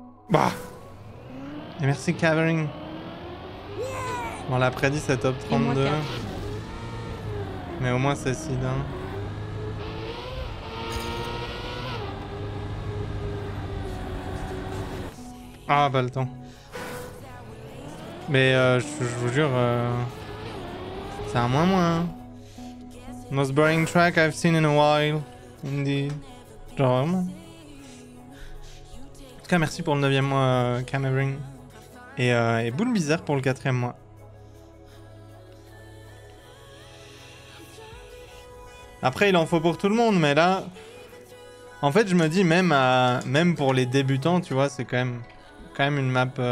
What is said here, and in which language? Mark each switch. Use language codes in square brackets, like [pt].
[fr] Bah. Et merci Cavering. Bon, la prédit c'est top 32. Mais au moins c'est seed 1. Ah, pas le temps. Mais je vous jure, c'est un moins. [en] Most boring track I've seen in a while, indeed. [fr] Genre vraiment. En tout cas, merci pour le 9e mois, Camering. Et boule bizarre pour le 4e mois. Après, il en faut pour tout le monde, mais là... En fait, je me dis, même pour les débutants, tu vois, c'est quand même une map...